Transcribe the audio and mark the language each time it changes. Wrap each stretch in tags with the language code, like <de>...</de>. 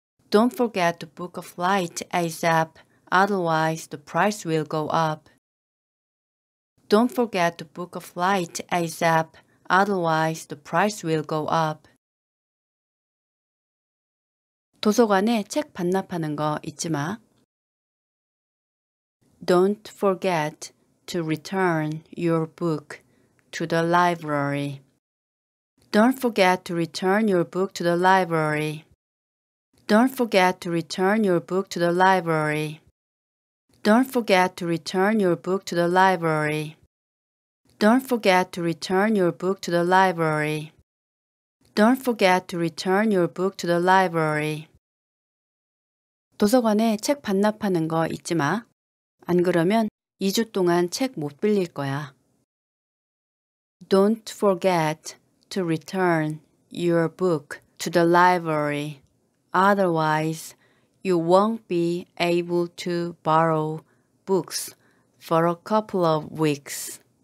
<en>Don't forget to book a flight ASAP. Otherwise, the price will go up. Don't forget to book a flight ASAP. Otherwise, the price will go up.</en> <ko>도서관에 책 반납하는 거 잊지 마.</ko> <en>Don't forget to return your book to the library. Don't forget to return your book to the library. Don't forget to return your book to the library. Don't forget to return your book to the library. Don't forget to return your book to the library. Don't forget to return your book to the library.</en> <ko>도서관에 책 반납하는 거 잊지 마. 안 그러면 2주 동안 책 못 빌릴 거야.</ko> <en>Don't forget to return your book to the library. Otherwise, you won't be able to borrow books for a couple of weeks.</en>